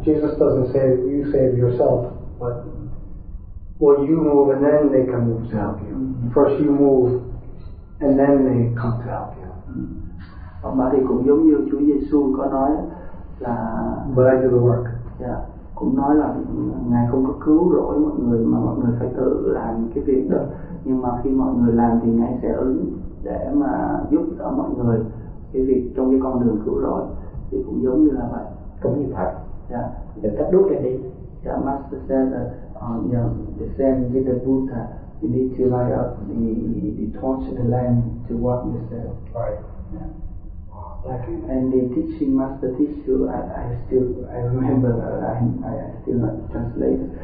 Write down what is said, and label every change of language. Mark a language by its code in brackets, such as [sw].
[en] Jesus doesn't say you save yourself, but well, you move and then they can move to help you. Mm-hmm. First you move, and then they come to help you. Mm-hmm. [vi] Mà thì cũng giống như Chúa Giêsu có nói là, [en] but I do the work. [vi] Yeah, cũng nói là Ngài không có cứu rỗi mọi người mà mọi người phải tự làm cái việc đó. Nhưng mà khi mọi người làm thì Ngài sẽ ứng để mà giúp đỡ mọi người cái việc trong cái con đường cứu rỗi. Thì cũng giống như là vậy. Cũng như Phật. [en] Yeah. [vi] Để cắt đuốc lên đi. [en] Yeah, Master said that the same with the Buddha, you need to light up the torch and the lamp to walk yourself. Right. Yeah. And the teaching master teach you, I still remember, I still not translate.